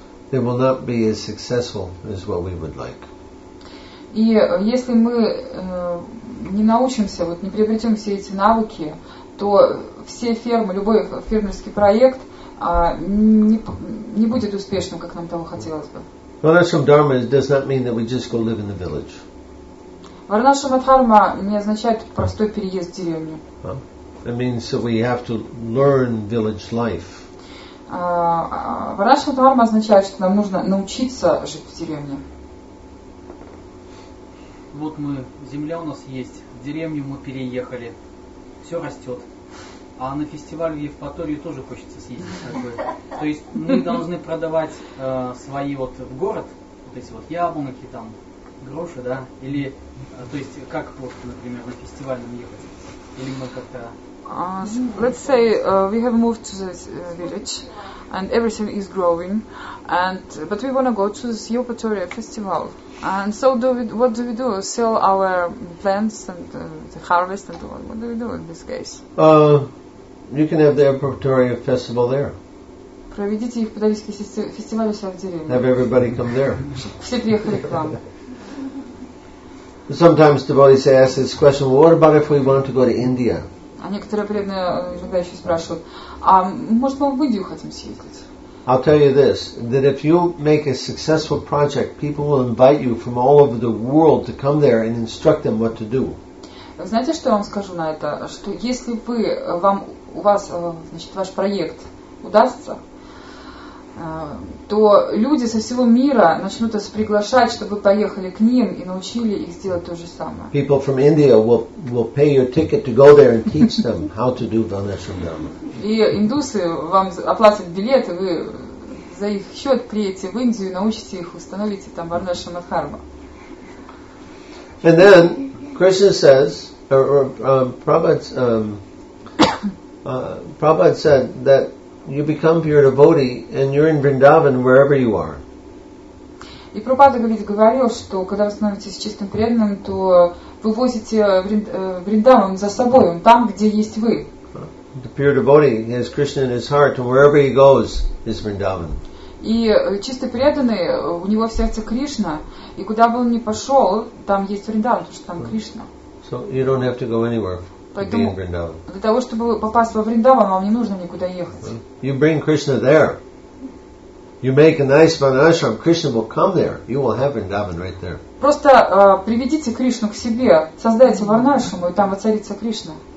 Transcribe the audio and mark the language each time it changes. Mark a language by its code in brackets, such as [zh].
[en] they will not be as successful as what we would like. [ru] И если мы не научимся, вот не приобретем все эти навыки, то все фермы, любой фермерский проект не будет успешным, как нам того хотелось бы. [en] Варнашрама дхарма does not mean that we just go live in the village. [ru] Варнашрама дхарма не означает простой переезд в деревню. [en] It means that we have to learn village life. [ru] Варнашрама дхарма означает, что нам нужно научиться жить в деревне. Вот мы, земля у нас есть, в деревню мы переехали, все растет. А на фестиваль в Евпаторию тоже хочется съездить. То есть мы должны продавать свои вот в город, вот эти вот яблоки, там, гроши, да? Или, то есть, как просто, например, на фестиваль нам ехать? Или мы как-то... [en] Let's say we have moved to this village and everything is growing, but we want to go to this Eupatoria festival. And so what do we do? Sell our plants and the harvest and all. What do we do in this case? You can have the Eupatoria festival there. [ru] Проведите Eupatorийский фестиваль у себя в деревне. [en] Have everybody come there. [ru] Все приехали к вам. [en] Sometimes devotees ask this question, well, what about if we want to go to India? [ru] А некоторые преданные иногда еще спрашивают, а может мы в Индию хотим съездить? [en] I'll tell you this, that if you make a successful project, people will invite you from all over the world to come there and instruct them what to do. [ru] Знаете, что я вам скажу на это? Что если вы, вам, у вас, значит, ваш проект удастся, то люди со всего мира начнут вас приглашать, чтобы вы поехали к ним и научили их сделать то же самое. [en] People from India will pay your ticket to go there and teach them how to do Varnashrama Dharma. [ru] И индусы вам оплатят билет, и вы за их счет приедете в Индию и научите их, установите там Варнашрама Дхарма. [en] And then Krishna says, Prabhupada said that you become pure devotee and you're in Vrindavan wherever you are. [ru] И Прабхупада говорил, что когда вы становитесь чистым преданным, то вы возите Вриндаван за собой, он там, где есть вы. [en] The pure devotee has Krishna in his heart and wherever he goes is Vrindavan. [ru] И чистый преданный, у него в сердце Кришна, и куда бы он ни пошел, там есть Вриндаван, потому что там Кришна. [en] So you don't have to go anywhere. [ru] Поэтому для того, чтобы попасть во Вриндаван, вам не нужно никуда ехать. [en] You bring Krishna there. You make a nice Vanashram, Krishna will come there. You will have Vrindavan right there. [ru] Просто приведите Кришну к себе, создайте Варнашраму, и там воцарится Кришна.